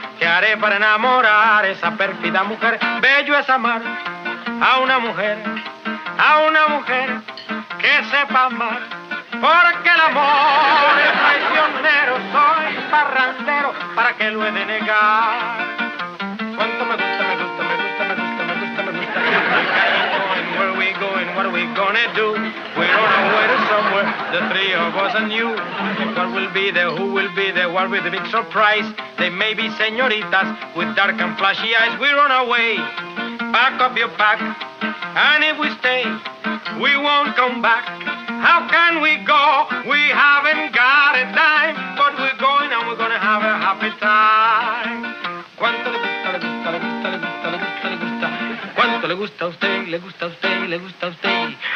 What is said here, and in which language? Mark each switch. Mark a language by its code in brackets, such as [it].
[es] ¿Qué haré para enamorar esa perfida mujer? Bello es amar a una mujer. A una mujer que sepa amar, porque el amor es traicionero, soy parrandero, ¿para qué lo he de negar? Cuánto me gusta, me gusta, me gusta, me gusta, me gusta, me gusta. [en] Where are we going, where are we going, what are we gonna do? We're on our way to somewhere, the three of us and you. What will be there, who will be there, what will be the big surprise? They may be señoritas with dark and flashy eyes. We're on our way, back up your back. And if we stay, we won't come back. How can we go? We haven't got a dime. But we're going and we're gonna have a happy time. [es] Cuanto le gusta, le gusta, le gusta, le gusta, le gusta, le gusta. Cuanto le gusta a usted, le gusta a usted, le gusta a usted.